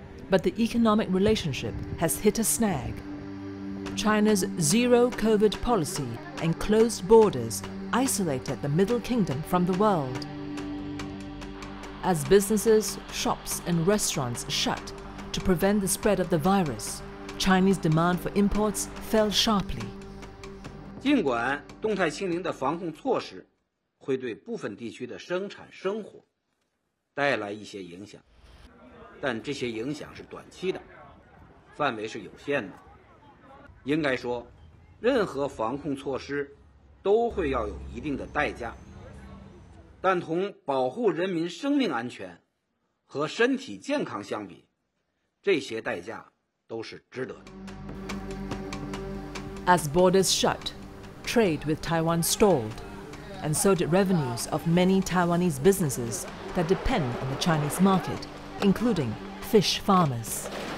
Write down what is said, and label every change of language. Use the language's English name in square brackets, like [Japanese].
[English] But the economic relationship has hit a snag. China's zero COVID policy and closed borders isolated the Middle Kingdom from the world. As businesses, shops and restaurants shut to prevent the spread of the virus, Chinese demand for imports fell sharply. [Chinese] 尽管动态清零的防控措施会对部分地区的生产生活带来一些影响, 但这些影响是短期的, 范围是有限的。应该说, 任何防控措施都会要有一定的代价, 但同保护人民生命安全和身体健康相比, 这些代价都是值得的。 [English] As borders shut, trade with Taiwan stalled, and so did revenues of many Taiwanese businesses that depend on the Chinese market, including fish farmers.